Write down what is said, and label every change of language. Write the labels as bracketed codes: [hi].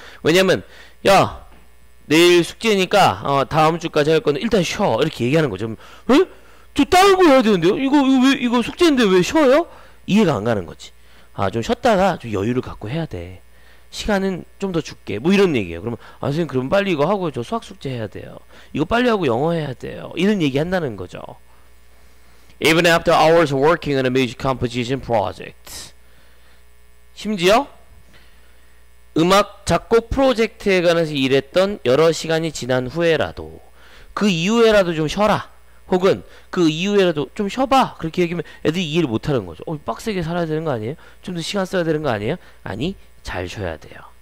[ko] 왜냐면 야 내일 숙제니까 다음 주까지 할 건데 일단 쉬어 이렇게 얘기하는 거죠. 에? 저 다른 거 해야 되는데요? 이거 숙제인데 왜 쉬어요? 이해가 안 가는 거지. 아, 좀 쉬었다가 좀 여유를 갖고 해야 돼. 시간은 좀더 줄게. 뭐 이런 얘기예요. 그러면 아, 선생님 그럼 빨리 이거 하고 저 수학 숙제 해야 돼요. 이거 빨리 하고 영어 해야 돼요. 이런 얘기 한다는 거죠. [en] Even after hours of working on a music composition project. [ko] 심지어 음악 작곡 프로젝트에 관해서 일했던 여러 시간이 지난 후에라도, 그 이후에라도 좀 쉬어라, 혹은 그 이후에라도 좀 쉬어봐, 그렇게 얘기하면 애들이 이해를 못하는 거죠. 빡세게 살아야 되는 거 아니에요? 좀더 시간 써야 되는 거 아니에요? 아니, 잘 쉬어야 돼요.